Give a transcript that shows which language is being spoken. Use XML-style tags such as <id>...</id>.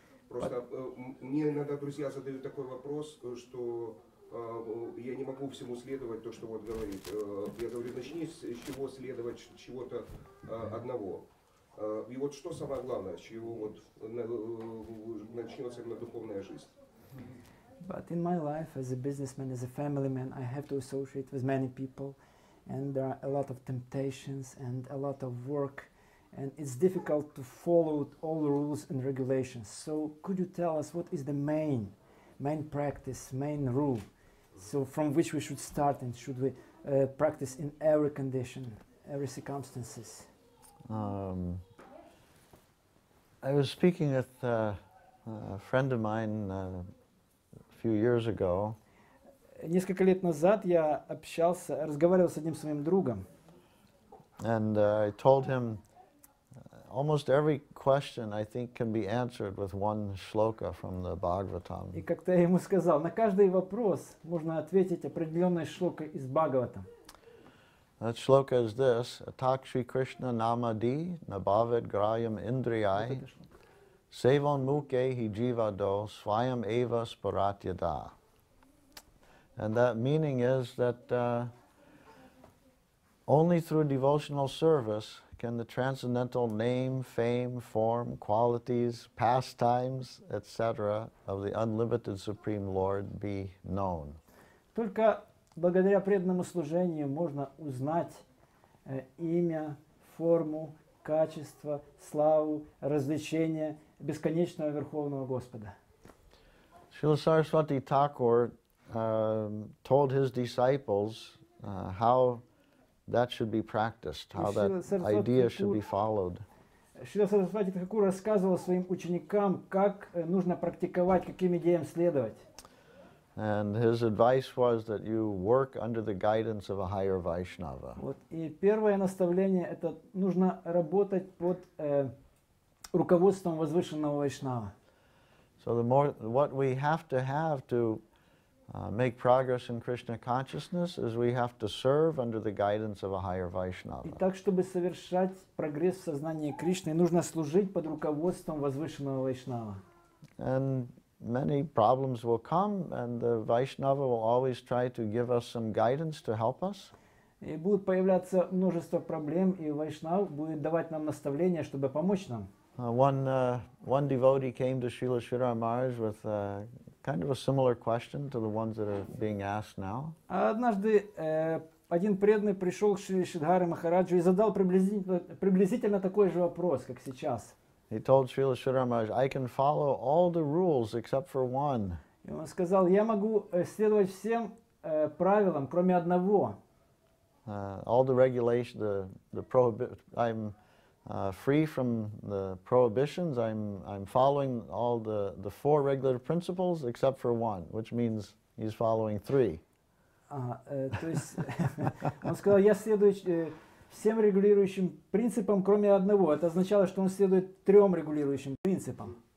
<ru>Просто мне иногда друзья задают такой вопрос, что я не могу всему следовать то, что вот говорит. Я говорю, начни с чего следовать чего-то одного. И вот что самое главное, с чего вот начнется именно духовная жизнь?</ru> <en>But in my life, as a businessman, as a family man, I have to associate with many people, and there are a lot of temptations and a lot of work, and it's difficult to follow all the rules and regulations. So could you tell us what is the main practice, main rule, so from which we should start, and should we practice in every condition, every circumstances? I was speaking with a friend of mine, years ago.</en> <ru>Несколько лет назад я общался, разговаривал с одним своим другом.</ru> <en>And I told him almost every question I think can be answered with one shloka from the Bhagavatam.</en> <ru>И как-то я ему сказал, на каждый вопрос можно ответить определенной шлокой из Бхагаватам.</ru> <sa>That shloka is this: Atakshi Krishna Namadi Nabhavit Grayam Indriyai. Sevan muke hi jiva do svayam eva sparatyada.</sa> <en>And that meaning is that only through devotional service can the transcendental name, fame, form, qualities, pastimes, etc. of the unlimited Supreme Lord be known.</en> <ru>Только благодаря преданному служению можно узнать имя, форму, качество, славу, развлечение бесконечного Верховного Господа.</ru> <en>Шрила Сарасвати Такур told his disciples how that should be practiced, how that idea should be followed.</en> <ru>Шрила Сарасвати Такур рассказывал своим ученикам, как нужно практиковать, каким идеям следовать.</ru> <en>And his advice was that you work under the guidance of a higher Vaishnava.</en> <ru>Вот и первое наставление это нужно работать под руководством возвышенного вайшнава.</ru> <en>So the more what we have to have to make progress in Krishna consciousness is we have to serve under the guidance of a higher Vaishnava.</en> <ru>И так чтобы совершать прогресс в сознании Кришны, нужно служить под руководством возвышенного вайшнава.</ru> <en>And many problems will come, and the Vaishnava will always try to give us some guidance to help us.</en> <ru>И будут появляться множество проблем, и вайшнав будет давать нам наставления, чтобы помочь нам.</ru> <en>One devotee came to Srila Giri Maharaj with a kind of a similar question to the ones that are being asked now.</en> <ru>Однажды один преданный пришел к Шри Шридхаре Махараджу и задал приблизительно такой же вопрос, как сейчас.</ru> <en>He told Srila Giri Maharaj, I can follow all the rules except for one.</en> <ru>И он сказал, я могу следовать всем правилам, кроме одного.</ru> <en>All the regulations, the prohibition, I'm free from the prohibitions, I'm following all the four regular principles except for one, which means he's following three.</en> <ru>То есть, он сказал, я следую всем регулирующим принципам, кроме одного. Это означало, что он следует трем регулирующим принципам.</ru>